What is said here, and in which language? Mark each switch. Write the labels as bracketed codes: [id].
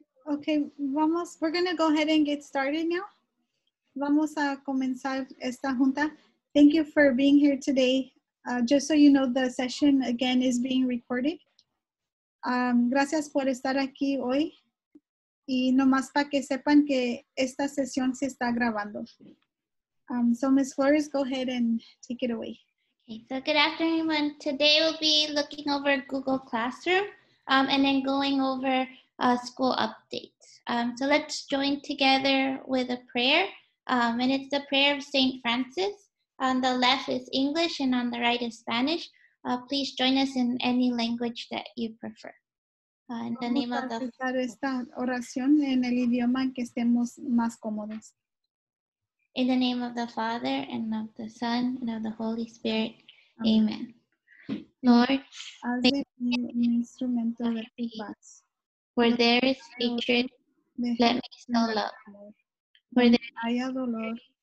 [en] Okay, we're going to go ahead and get started now. [es] Vamos a comenzar esta junta. [en] Thank you for being here today. Just so you know, the session again is being recorded. [es] Gracias por estar aquí hoy. Y nomás para que sepan que esta sesión se está grabando. [en] So Ms. Flores, go ahead and take it away. Okay, so good afternoon, everyone. Today we'll be looking over Google Classroom and then going over school updates. So let's join together with a prayer. And it's the prayer of St. Francis. On the left is English and on the right is Spanish. Please join us in any language that you prefer. In the name of the Father. [es] Esta oración en el idioma que estemos más cómodos. [en] In the name of the Father and of the Son and of the Holy Spirit. Amen. Amen. Lord, [es] un instrumento de tu paz. [en] Where there is hatred, let me sow love. Where there is [es] haya dolor,